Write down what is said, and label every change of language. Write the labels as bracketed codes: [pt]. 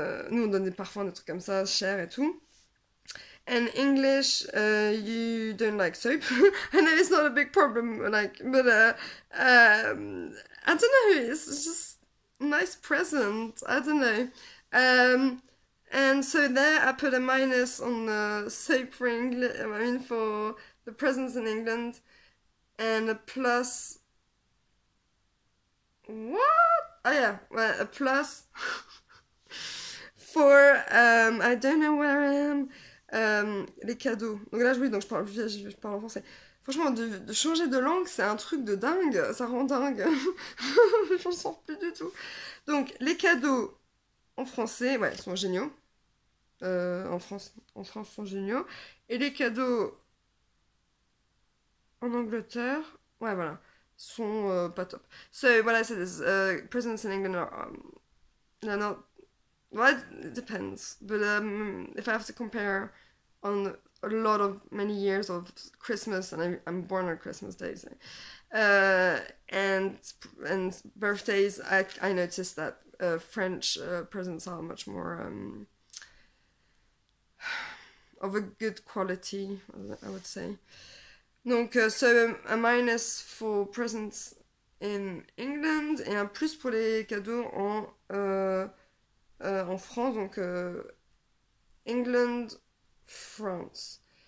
[fr] Nous, on donne des parfums, des trucs comme ça, chers et tout. [en] And English, you don't like soap. I know it's not a big problem, like, but I don't know. It's just a nice present. I don't know. And so there, I put a minus on the soap for England. I mean, for the presents in England, and a plus. What? Oh yeah, well, a plus for I don't know where I am. [fr] Les cadeaux. Donc là, oui, donc je parle en français. Franchement, de changer de langue, c'est un truc de dingue, ça rend dingue. J'en sors plus du tout. Donc, les cadeaux en français, ouais, sont géniaux. En France, sont géniaux. Et les cadeaux en Angleterre, ouais, voilà, sont pas top. [en] So, what I said is, presents in England are not. Well, it depends. But if I have to compare on a lot of many years of Christmas, and I'm born on Christmas Day, so, and birthdays, I noticed that French presents are much more of a good quality, I would say. [fr] Donc, un [en] minus for presents in England [fr] et un plus pour les cadeaux en France, donc England, France.